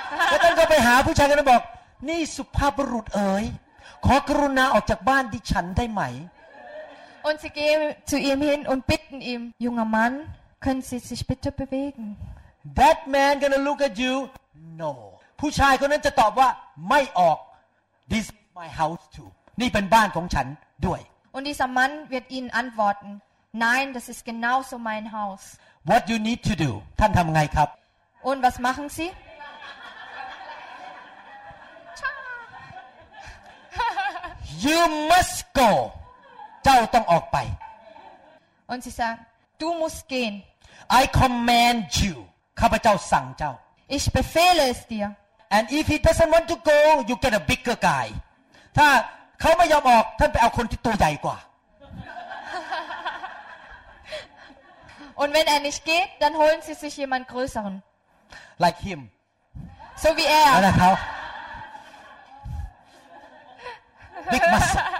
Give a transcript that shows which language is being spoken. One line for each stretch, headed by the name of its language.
Thai: แล้วก็ไปหาผู้ชายคนนั้นบอกนี่สุภาพบุรุษเอ๋ยขอกรุณาออกจากบ้านดิฉันได้ไหม
German: Und sie gehen zu ihm hin und bitten ihm, junger Mann, können Sie sich bitte bewegen?
English: That man gonna look at you? No.
Thai: ผู้ชายคนนั้นจะตอบว่าไม่ออก
English: This is my house too.
Thai: นี่เป็นบ้านของฉันด้วย
German: Und dieser Mann wird ihnen antworten, nein, das ist genauso mein Haus.
English: What you need to do?
Thai: ท่านทำไงครับ
German: Und was machen Sie?
English: You must go.
Thai: เจ้าต้องออกไป
German: Und sie sagen, du musst gehen.
English: I command you.
Thai: ข้าพเจ้าสั่งเจ้า
German: Ich befehle es dir.
English: And if he doesn't want to go, you get a bigger guy.
Thai: ถ้าเขาไม่ยอมออกท่านไปเอาคนที่ตัวใหญ่กว่า
German: Und wenn er nicht geht, dann holen sie sich jemand größeren.
English: Like him.
German: So wie er.
English: นะครับ Big muscle.